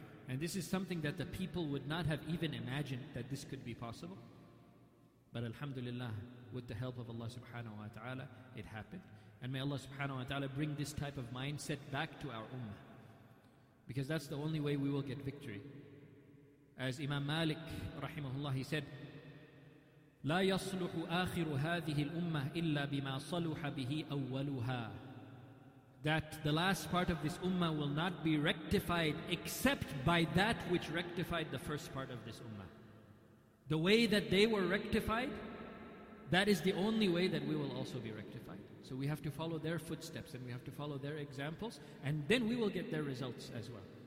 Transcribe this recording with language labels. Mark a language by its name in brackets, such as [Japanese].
[English] And this is something that the people would not have even imagined, that this could be possible. But alhamdulillah, with the help of Allah subhanahu wa ta'ala, it happened. And may Allah subhanahu wa ta'ala bring this type of mindset back to our ummah. Because that's the only way we will get victory. As Imam Malik rahimahullah, he said, [Arabic] لا يصلح آخر هذه الأمة إلا بما صلح به أولها. [English] That the last part of this ummah will not be rectified except by that which rectified the first part of this ummah. The way that they were rectified, that is the only way that we will also be rectified. So we have to follow their footsteps and we have to follow their examples, and then we will get their results as well.